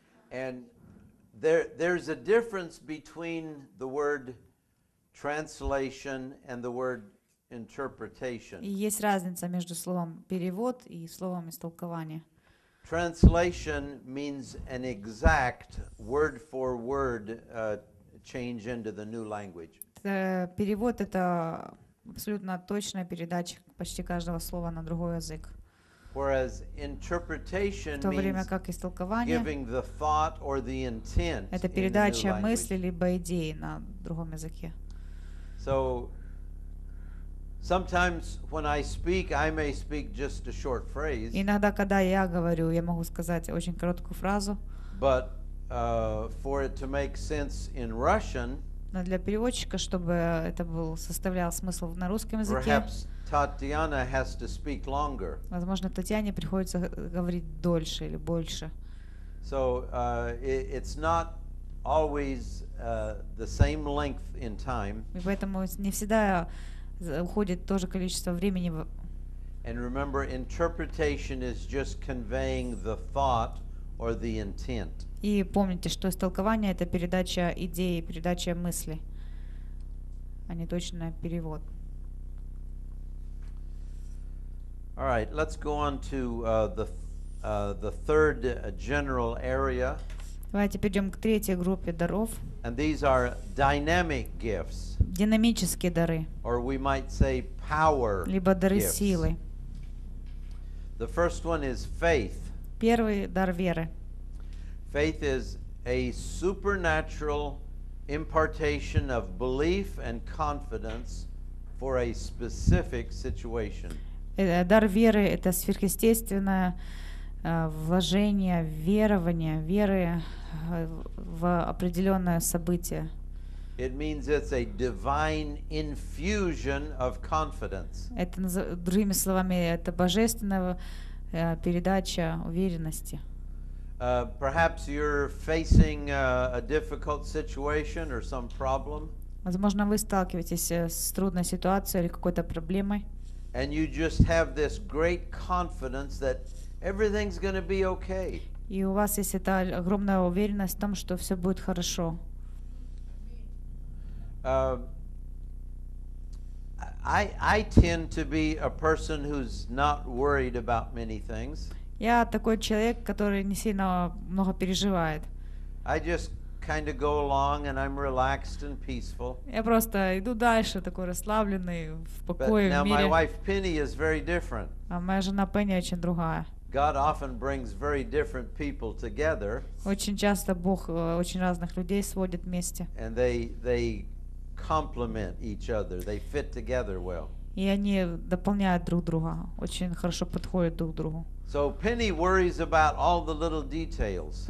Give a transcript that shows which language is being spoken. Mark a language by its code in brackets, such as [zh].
[en] And there's a difference between the word translation and the word interpretation. [ru] Есть разница между словом перевод и словом истолкование. [en] Translation means an exact word for word change into the new language. [ru] Перевод это абсолютно точная передача почти каждого слова на другой язык. [en] Whereas interpretation means giving the thought or the intent. [ru] Это передача мысли либо идеи на другом языке. [en] So sometimes when I speak, I may speak just a short phrase. [ru] Иногда, когда я говорю, я могу сказать очень короткую фразу. [en] But for it to make sense in Russian. [ru] Но для переводчика, чтобы это был составлял смысл на русском языке. [en] Perhaps Татьяна has to speak longer. [ru] Возможно, Татьяне приходится говорить дольше или больше. [en] So it's not always the same length in time. [ru] И поэтому не всегда уходит то же количество времени. [en] And remember, interpretation is just conveying the thought or the intent. [ru] И помните, что истолкование это передача идеи, передача мысли, а не точный перевод. [en] All right, let's go on to the third general area. [ru] Давайте перейдем к третьей группе даров. [en] And these are dynamic gifts. [ru] Динамические дары. [en] Or we might say power gifts. [ru] Либо дары силы. [en] The first one is faith. [ru] Первый дар веры. [en] Faith is a supernatural impartation of belief and confidence for a specific situation. [ru] Дар веры – это сверхъестественное вложение, верование, веры в определенное событие. [en] It means it's a divine infusion of confidence. [ru] Это, другими словами, это божественное передача уверенности. [en] Perhaps you're facing a difficult situation or some problem. [ru] Возможно, вы сталкиваетесь с трудной ситуацией или какой-то проблемой. [en] And you just have this great confidence that everything's going to be okay. [ru] И у вас есть эта огромная уверенность в том, что все будет хорошо. [en] I tend to be a person who's not worried about many things. [ru] Я такой человек, который не сильно много переживает. [en] I just kind of go along and I'm relaxed and peaceful. [ru] Я просто иду дальше, такой расслабленный, в покое, в мире. [en] But now my wife Penny is very different. [ru] А моя жена Пенни очень другая. [en] God often brings very different people together. [ru] Очень часто Бог очень разных людей сводит вместе. [en] And they complement each other. They fit together well. [ru] И они дополняют друг друга. Очень хорошо подходят друг другу. [en] So Penny worries about all the little details.